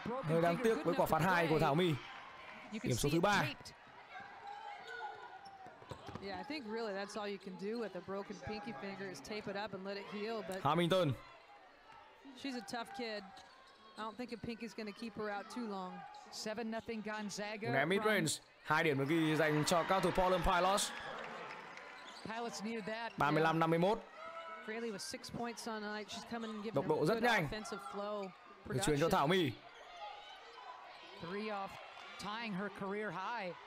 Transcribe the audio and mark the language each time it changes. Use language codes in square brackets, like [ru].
[vi] Hơi đáng tiếc với quả phạt hai của Thảo My. Điểm số thứ ba. [en] Yeah, I think really that's all you can do with a broken pinky finger is tape it up and let it heal. But Hamilton. She's a tough kid. I don't think a pinky's going to keep her out too long. 7-0 Gonzaga. [vi] Ném mid-range. Hai điểm được ghi dành cho cao thủ Portland Pilots. [en] Pilots needed that. 35-51. Fraley with 6 points on tonight. She's coming and giving [vi] tốc độ rất nhanh. [en] Offensive flow. [vi] Được chuyển cho Thảo My. [en] 3 off tying her career high.